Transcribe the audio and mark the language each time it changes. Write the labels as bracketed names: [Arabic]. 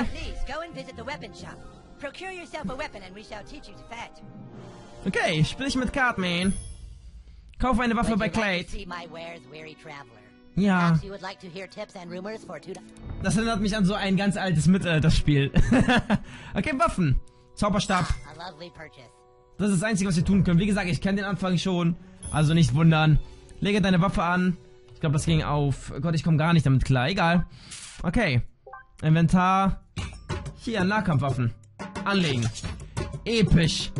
[English] Now please, go and visit the weapon shop. Procure yourself a weapon and we shall teach you to fight. [German] Okay, spiel ich mit Cartman. Kauf eine Waffe [English] would [German] bei Clay. [English] Like to see my wares, weary traveler? [German] Ja. [English] Perhaps you would like to hear tips and rumors for two... [German] Das erinnert mich an so ein ganz altes Mittelalter-Spiel. Okay, Waffen. Zauberstab. [English] A lovely purchase. [German] Das ist das Einzige, was wir tun können. Wie gesagt, ich kenne den Anfang schon. Also nicht wundern. Lege deine Waffe an. Ich glaube, das ging auf. Gott, ich komme gar nicht damit klar. Egal. Okay. Inventar. Hier, Nahkampfwaffen. Anlegen. Episch.